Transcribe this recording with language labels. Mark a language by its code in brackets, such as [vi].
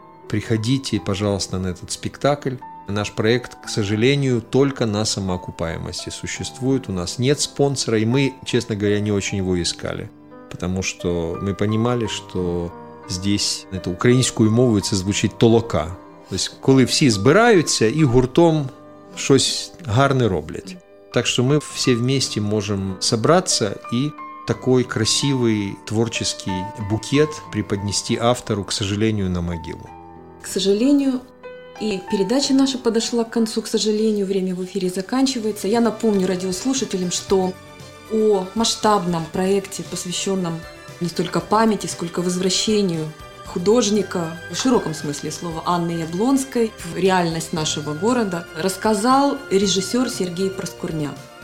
[ru] Приходите, пожалуйста, на этот спектакль. Наш проект, к сожалению, только на самоокупаемости существует. У нас нет спонсора, и мы, честно говоря, не очень его искали. Потому что мы понимали, что здесь эту [uk] українською мовою це звучить толока. То есть, коли всі збираються і гуртом щось гарне роблять. [ru] Так что мы все вместе можем собраться и такой красивый творческий букет преподнести автору, к сожалению, на могилу. К сожалению, и передача наша подошла к концу, к сожалению, время в эфире заканчивается. Я напомню радиослушателям, что о масштабном проекте, посвященном не столько памяти, сколько возвращению художника, в широком смысле слова, Анны Яблонской, в реальность нашего города, рассказал режиссер Сергей Проскурняк.